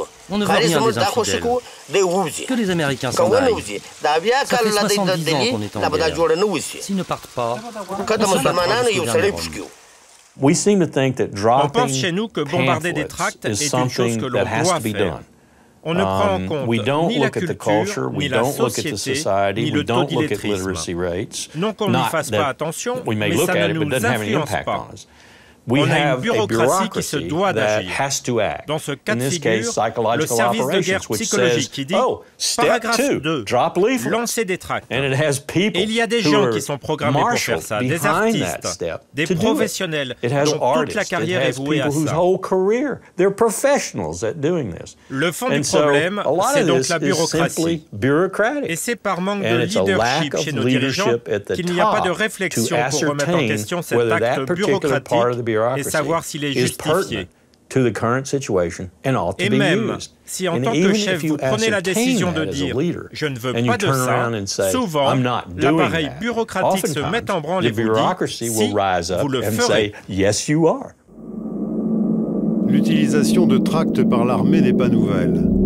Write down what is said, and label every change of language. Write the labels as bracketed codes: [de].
[fr] On ne veut rien des armes fidèles. Que les Américains s'en aillent. Ça fait 70 ans qu'on est en guerre. S'ils ne partent pas, on se bat pour notre dernier rôle. [en] We seem to think that dropping pamphlets is something that has to be done. We don't look at the culture, we don't look at the society, we don't look at literacy rates. We may look at it, but it doesn't have any impact on us. We have a bureaucracy that has to act. In this case, psychological operations, which says, oh, step two, drop leaflets. And it has people who are marshaled behind that step to do it. It has artists, it has people whose whole career, they're professionals at doing this. And so a lot of this is simply bureaucratic. And it's a lack of leadership at the top to ascertain whether that particular part of the bureaucracy [fr] et savoir s'il est justifié. [en] To the current situation and ought to [fr] et même, si en tant que chef, vous prenez la décision de dire « je ne veux pas de ça », souvent, l'appareil bureaucratique se met en branle et vous dit « si, vous le ferez ». [en] Yes, [fr] l'utilisation de tracts par l'armée n'est pas nouvelle.